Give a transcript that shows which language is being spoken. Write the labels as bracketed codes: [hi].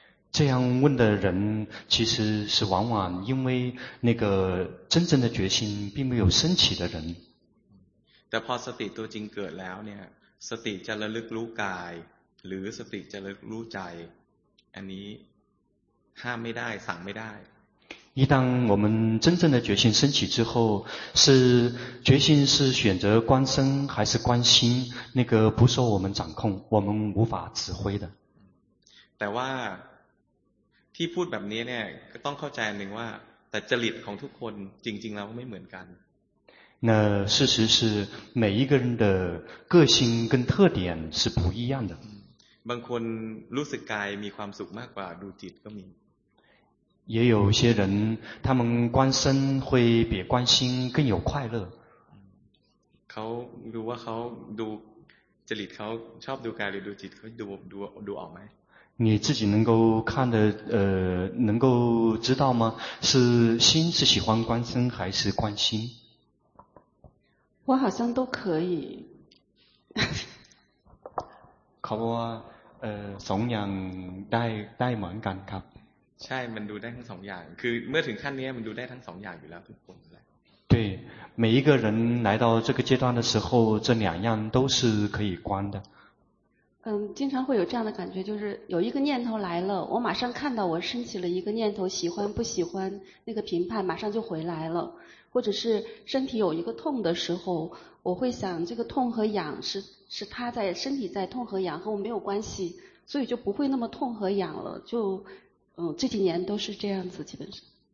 [zh] 这样问的人其实是往往因为那个真正的决心并没有升起的人 [th] แต่พอสติตัวจริงเกิดแล้วเนี่ยสติจะระลึกรู้กายหรือสติจะระลึกรู้ใจอันนี้ห้ามไม่ได้สั่งไม่ได้ [zh] 一旦我们真正的决心升起之后是决心是选择观身还是观心那个不受我们掌控我们无法指挥的 [th] แต่ว่าที่พูดแบบนี้เนี่ยก็ต้องเข้าใจหนึ่งว่าแต่จริตของทุกคนจริงๆแล้วไม่เหมือนกัน [zh] 那事实是每一个人的个性跟特点是不一样的 [th] บางคนรู้สึกกายมีความสุขมากกว่าดูจิตก็มี เยอะๆ [zh] 些人他们观身会比观心更有快乐 [th] เขาดูว่าเขาดูจริตเขาชอบดูกายหรือดูจิตเขาดูออกไหม [zh] 你自己能够看的能够知道吗是心是喜欢观身还是观心我好像都可以 [th] เขาว่าสองอย่างได้เหมือนกันครับ ใช่มันดูได้ทั้งสองอย่างคือเมื่อถึงขั้นนี้มันดูได้ทั้งสองอย่างอยู่แล้วทุกคนแหละ [zh] 对每一个人来到这个阶段的时候这两样都是可以观的嗯经常会有这样的感觉就是有一个念头来了我马上看到我升起了一个念头喜欢不喜欢那个评判马上就回来了或者是身体有一个痛的时候我会想这个痛和痒是他在身体在痛和痒和我没有关系所以就不会那么痛和痒了就嗯，这几年都是这样子，基本上。